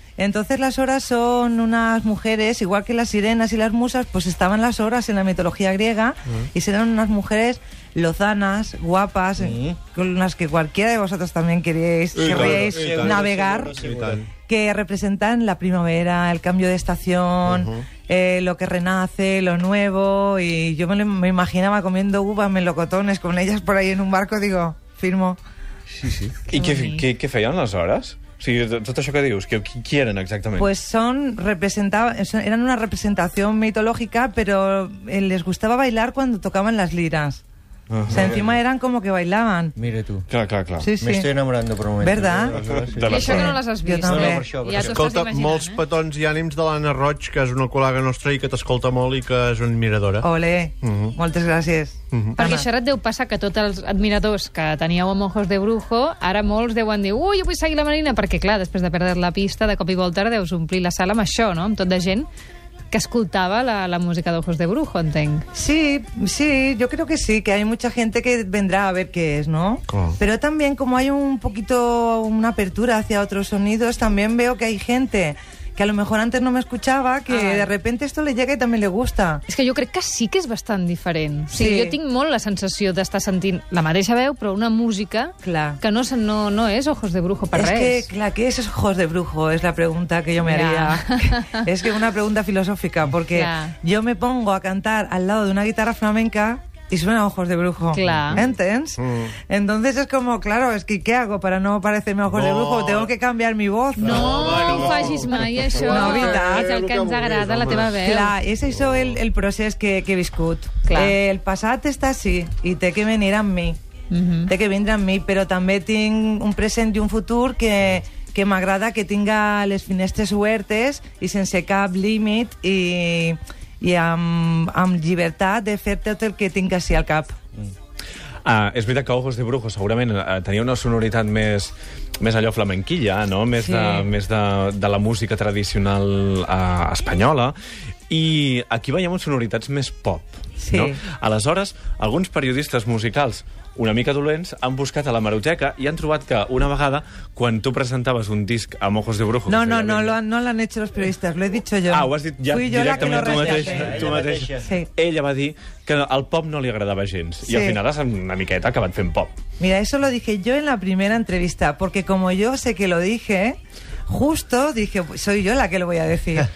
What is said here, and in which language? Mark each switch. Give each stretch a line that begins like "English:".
Spanish: Entonces las horas son unas mujeres, igual que las sirenas y las musas, pues estaban las horas en la mitología griega y serán unas mujeres lozanas, guapas, con las que cualquiera de vosotros también querríais navegar, que representan la primavera, el cambio de estación, lo que renace, lo nuevo, y yo me imaginaba comiendo uvas, melocotones con ellas por ahí en un barco, digo, firmo. Sí, sí. ¿Y qué feían las horas?
Catalan: Sí, tot això que dius, què eren exactament?
Spanish: Pues eran una representación mitológica, pero les gustaba bailar cuando tocaban las liras. O sea, encima eran como que bailaban. Mire tú.
Catalan: Clar. Sí, sí.
Spanish: Me estoy enamorando por un momento. ¿Verdad?
Catalan: I això que no les has vist. Jo també. Escolta, molts petons i ànims de l'Anna Roig, que és una col·lega nostra i que t'escolta molt i que és una admiradora. Ole, moltes gràcies. Uh-huh. Perquè això ara et deu passar que tots els admiradors que teníeu amb Ojos de Brujo, ara molts deuen dir, ui, jo vull seguir la Marina, perquè clar, després de perdre la pista, de cop i volta deus omplir la sala amb això, no? Amb tot de gent que escoltava la música d'Ojos de Brujo, entenc.
Spanish: Sí, sí, yo creo que sí, que hay mucha gente que vendrá a ver qué es, ¿no? Claro. Pero también, como hay un poquito, una apertura hacia otros sonidos, también veo que hay gente que a lo mejor antes no me escuchaba, que de repente esto le llega y también le gusta.
Catalan: És que jo crec que sí que és bastant diferent. O sigui, sí. Jo tinc molt la sensació d'estar sentint la mateixa veu, però una música clar. Que no és Ojos de Brujo per és res. És que, clar, què és Ojos de Brujo? És la pregunta que jo me haria. Ja. És que una pregunta filosòfica, perquè jo
Spanish: me pongo a cantar al lado d'una guitarra flamenca y suena Ojos de Brujo. Claro.
Catalan: ¿Entens? Mm.
Spanish: Entonces es como, claro, es que ¿qué hago para no parecerme Ojos de Brujo? Tengo que cambiar mi voz.
Catalan: No, no facis mai això. No, vital. És el que ens agrada, la teva veu. Clar, és això el procés que he viscut.
Spanish: Claro.
Catalan: El passat està així i té que venir amb mi. Mm-hmm. Té que vindre amb mi, però també tinc un present i un futur que m'agrada que tinga les finestres obertes i sense cap límit i amb llibertat de fer tot el que tinc així al cap. Mm. Ah, és veritat que Ojos de Brujo segurament tenia una sonoritat més allò flamenquilla, no? Més, sí. més de la música tradicional espanyola. I aquí veiem sonoritats més pop. Sí. No? Aleshores, alguns periodistes musicals una mica dolents han buscat a la Maruxeca i han trobat que una vegada quan tu presentaves un disc amb Ojos de Brujo
Spanish: no l'han hecho los periodistas, lo he dicho yo.
Catalan: Ah, ho has dit ja, directament tu mateixa. Sí. Ella va dir que el pop no li agradava gens sí. I al final has una miqueta acabat fent pop.
Spanish: Mira, eso lo dije yo en la primera entrevista porque como yo sé que lo dije justo, dije, soy yo la que lo voy a decir.